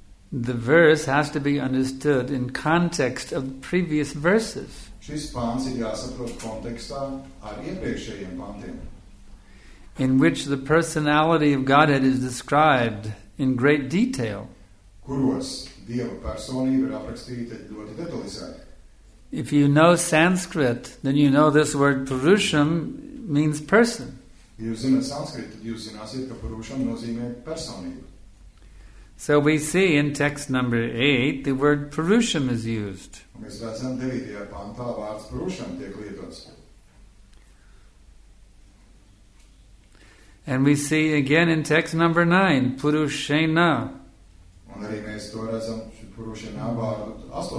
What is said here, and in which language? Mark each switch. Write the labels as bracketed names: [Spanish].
[English] The verse has to be understood in context of previous verses. [Latvian] Šis pāns ir jāsaprot kontekstā ar iepriekšējiem pantiem. [English] In which the personality of Godhead is described in great detail. [Latvian] Kuros Dieva personība ir aprakstīta ļoti detalizēti. [English] If you know Sanskrit, then you know this word Purusham means person. [Latvian] Jūs zināt Sanskrit, tad jūs zināsiet, ka Purusham nozīmē personību. [English] So we see in text number 8, the word Purusham is used. [Latvian] Mēs redzam 9. Pantā vārds Purusham tiek lietots. [English] And we see again in text number 9, Purushena. [Latvian] Un arī mēs to redzam Purushena vārdu 8.